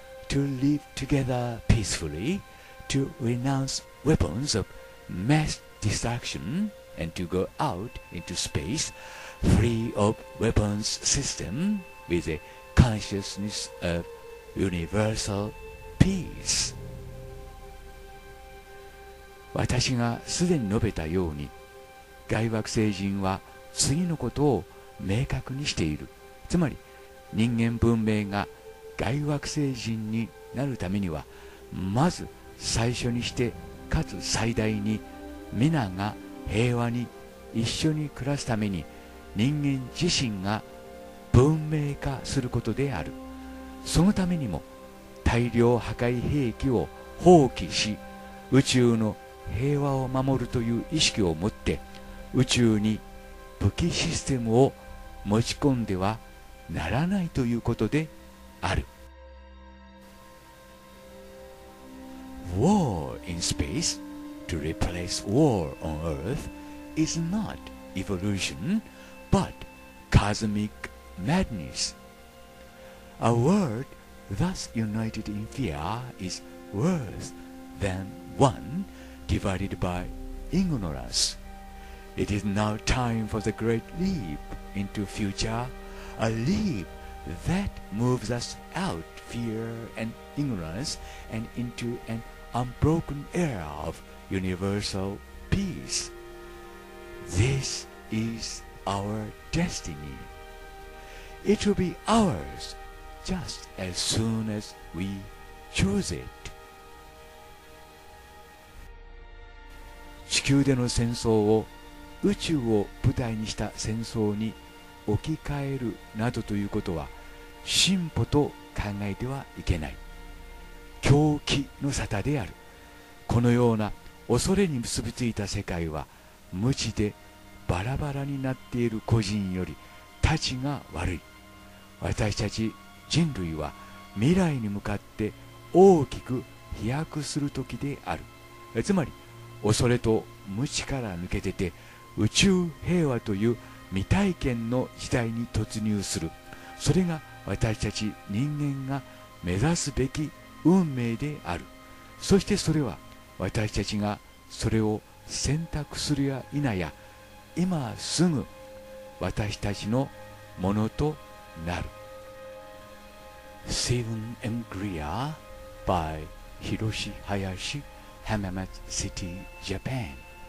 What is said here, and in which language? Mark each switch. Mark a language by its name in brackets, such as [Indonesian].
[English] to live together peacefully, to renounceweapons of mass destruction and to go out into space free of weapons system with a consciousness of universal peace. [Japanese] 私がすでに述べたように、外惑星人は次のことを明確にしている。つまり人間文明が外惑星人になるためには、まず最初にしてかつ最大に、皆が平和に一緒に暮らすために人間自身が文明化することである。そのためにも大量破壊兵器を放棄し、宇宙の平和を守るという意識を持って宇宙に武器システムを持ち込んではならないということである。 [English] War in space to replace war on Earth is not evolution, but cosmic madness. A world thus united in fear is worse than one divided by ignorance. It is now time for the great leap into future, a leap that moves us out fear and ignorance and into an unbroken era of universal peace. This is our destiny. It will be ours just as soon as we choose it. [Japanese] 地球での戦争を宇宙を舞台にした戦争に置き換えるなどということは進歩と考えてはいけない。狂気の沙汰である。このような恐れに結びついた世界は無知でバラバラになっている個人よりたちが悪い。私たち人類は未来に向かって大きく飛躍する時である。つまり恐れと無知から抜け出て宇宙平和という未体験の時代に突入する。それが私たち人間が目指すべき運命である。そしてそれは私たちがそれを選択するや否や今すぐ私たちのものとなる。 [English] Seven and Greer by 広志林Hamamatsu City, Japan.